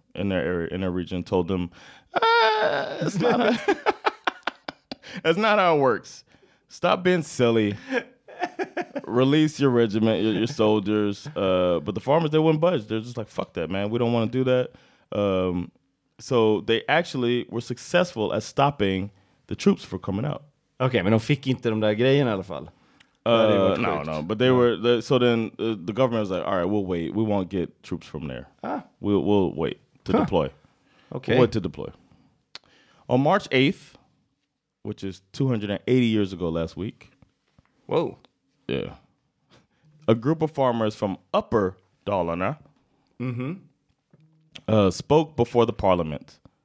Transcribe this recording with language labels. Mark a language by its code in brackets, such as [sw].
[en] In their area, in their region, told them, it's not how, that's not how it works. Stop being silly. Release your regiment, your soldiers. But the farmers, they wouldn't budge. They're just like, fuck that, man. We don't want to do that. So they actually were successful at stopping the troops from coming out. [sv] Okay, men de fick inte de där grejerna i alla fall. [en] No. But they were so then the government was like, all right, we'll wait. We won't get troops from there. Ah. We'll wait. To deploy. Okay. What to deploy? On March 8th, which is 280 years ago last week. Whoa. Yeah. A group of farmers from Upper Dalarna spoke before the parliament.